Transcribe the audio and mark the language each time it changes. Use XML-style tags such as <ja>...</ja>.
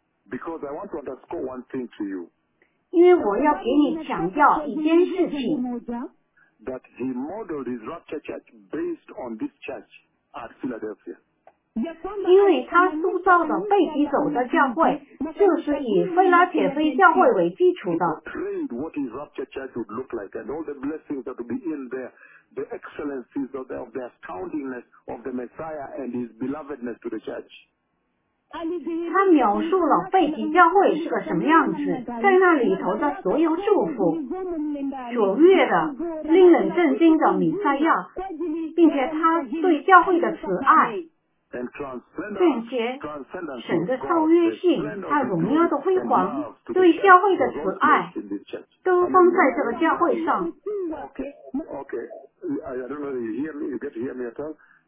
<en>Because I want to underscore one thing to you.</en> <zh>因为我要给你强调一件事情。</zh> <en>That he modeled his rapture church based on this church at Philadelphia.</en> <zh>因为他塑造的被提走的教会就是以腓拉铁菲教会为基础的。</zh> <en>He portrayed what his rapture church would look like and all the blessings that would be in there. The excellencies of the astoundingness of the Messiah and his belovedness to the church.</en> <zh>他描述了被提教会是个什么样子，在那里头的所有祝福，卓越的、令人震惊的弥赛亚，并且他对教会的慈爱，并且神的超越性、他荣耀的辉煌、对教会的慈爱，都放在这个教会上。</zh> <en>Okay. I don't know if you hear me, you get to hear me at all.</en>